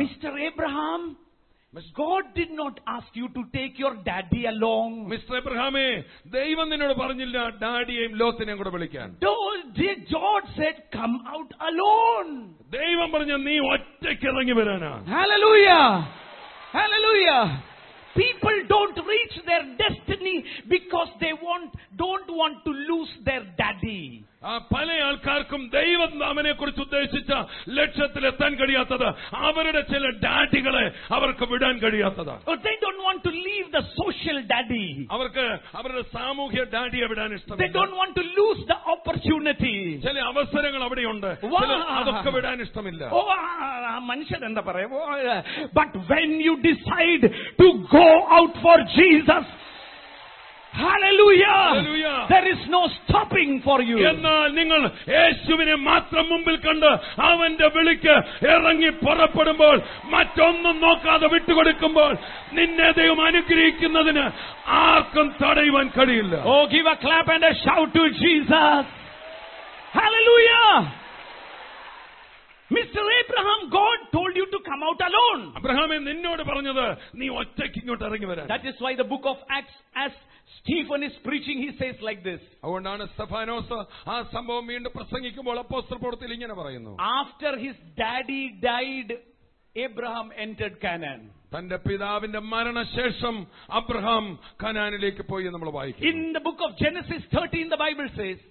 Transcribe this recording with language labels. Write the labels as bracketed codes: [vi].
[en] Mister Abraham, God did not ask you to take your daddy along. Mr. [ml] Abrahame, ദൈവം നിന്നോട് പറഞ്ഞില്ല ഡാഡിയെയും ലോത്തിനെയും കൂടെ വിളിക്കാൻ. [en] God said, come out alone. [ml] ദൈവം പറഞ്ഞു നീ ഒറ്റയ്ക്ക് ഇറങ്ങി വരാനാ. [en] Hallelujah. Hallelujah. People don't reach their destiny because they don't want to lose their daddy. [ml] പല ആൾക്കാർക്കും ദൈവനാമനെ കുറിച്ച് ഉദ്ദേശിച്ച ലക്ഷ്യത്തിലെത്താൻ കഴിയാത്തത് അവരുടെ ചില ഡാഡികളെ അവർക്ക് വിടാൻ കഴിയാത്തത്. [en] They don't want to leave the social daddy. [ml] അവർക്ക് അവരുടെ സാമൂഹ്യ ഡാഡിയെ വിടാൻ ഇഷ്ടമില്ല. [en] They don't want to lose the opportunity. [ml] ചില അവസരങ്ങൾ അവിടെയുണ്ട്, അതൊക്കെ വിടാൻ ഇഷ്ടമില്ല. ഓ മനുഷ്യൻ എന്താ പറയാ. [en] But when you decide to go out for Jesus, Hallelujah. Hallelujah! There is no stopping for you. [ml] എന്നാൽ നിങ്ങൾ യേശുവിനെ മാത്രം മുമ്പിൽ കണ്ട് അവന്റെ വിളിക്ക് ഇറങ്ങി പുറപ്പെടുമ്പോൾ മറ്റൊന്നും നോക്കാതെ വിട്ടുകൊടുക്കുമ്പോൾ നിന്നെ ദൈവം അനുഗ്രഹിക്കുന്നതിന് ആർക്കും തടയുവാൻ കഴിയില്ല. [en] Oh, give a clap and a shout to Jesus. Hallelujah! Mr. Abraham, God told you to come out alone. [ml] അബ്രഹാമേ നിന്നോട് പറഞ്ഞത് നീ ഒറ്റയ്ക്ക് ഇങ്ങോട്ട് ഇറങ്ങി വരാൻ. [en] That is why the book of Acts, as Stephen is preaching, he says like this. [ml] അവണ്ണാണ് Stephanos ആ സംഭവം വീണ്ടും പ്രസംഗിക്കുമ്പോൾ അപ്പോസ്തലൻ പൗലോസ് ഇങ്ങനെ പറയുന്നു. [en] After his daddy died, Abraham entered Canaan. [ml] തന്റെ പിതാവിന്റെ മരണശേഷം അബ്രഹാം കനാനിലേക്ക് പോയി നമ്മൾ വായിക്കും. [en] in the book of Genesis 13 the Bible says,